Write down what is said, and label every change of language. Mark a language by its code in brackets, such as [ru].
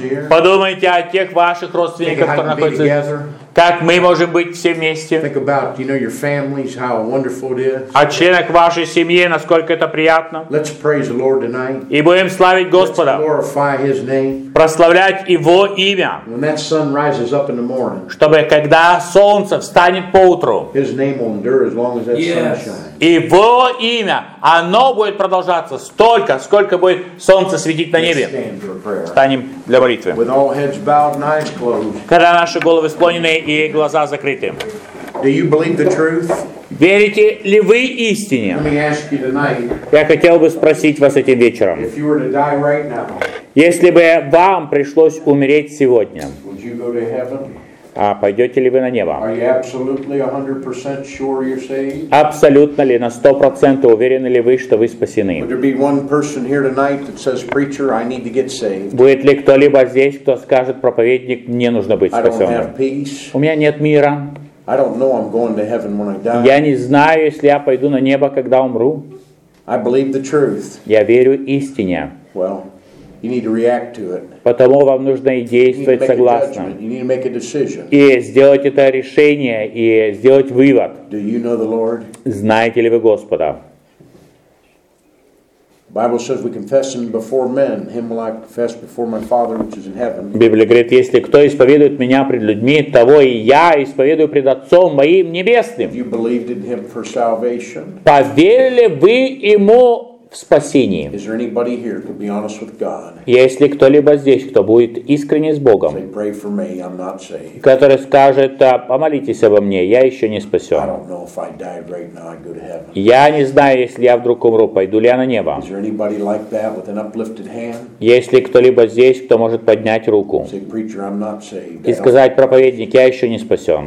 [ru] Подумайте о тех ваших родственниках, которые находятся здесь. Как мы можем быть все вместе? [en] Think about, you know, your families, how wonderful it is. [ru] О членах вашей семьи, насколько это приятно. [en] Let's praise the Lord tonight. [ru] И будем славить Господа. [en] Let's glorify His name. [ru] Прославлять Его имя. [en] When that sun rises up in the morning. [ru] Чтобы когда солнце встанет поутру. [en] His name will endure as long as that yes. sun shines. [ru] Его имя, оно будет продолжаться столько, сколько будет солнце светить на небе. Встанем для молитвы. [en] With all heads bowed and eyes closed. [ru] Когда наши головы склонены и глаза закрыты. [en] Do you believe the truth? [ru] Верите ли вы истине? [en] Let me ask you tonight, [ru] я хотел бы спросить вас этим вечером. [en] If you were to die right now, [ru] если бы вам пришлось умереть сегодня, [en] would you go to heaven? [ru] А пойдете ли вы на небо? [en] Are you absolutely 100% sure you're saved? [ru] Абсолютно ли, на 100% уверены ли вы, что вы спасены? [en] Would there be one person here tonight that says, preacher, I need to get saved? [ru] Будет ли кто-либо здесь, кто скажет, проповедник, мне нужно быть спасенным? [en] I don't have peace. [ru] У меня нет мира. [en] I don't know I'm going to heaven when I die. [ru] Я не знаю, если я пойду на небо, когда умру. [en] I believe the truth. [ru] Я верю истине. [en] Well, you need to react to it. [ru] Потому вам нужно и действовать согласно. [en] You need to make a decision. [ru] И сделать это решение, и сделать вывод. [en] Do you know the Lord? [ru] Знаете ли вы Господа? [en] Bible says we confess him before men, him will I confess before my Father which is in heaven. [ru] Библия говорит, если кто исповедует меня пред людьми, того и я исповедую пред Отцом моим небесным. [en] You believed in him for salvation? [ru] Поверили вы ему в спасении? [en] Is there anybody here to be honest with God? [ru] Есть ли кто-либо здесь, кто будет искренне с Богом? [en] Say, pray for me, I'm not saved. [ru] Который скажет, помолитесь обо мне, я еще не спасен. [en] I don't know if I die right now, I go to heaven. [ru] Я не знаю, если я вдруг умру, пойду ли я на небо. [en] Is there anybody like that with an uplifted hand? [ru] Есть ли кто-либо здесь, кто может поднять руку? [en] Say, preacher, I'm not saved. [ru] И сказать, проповедник, я еще не спасен.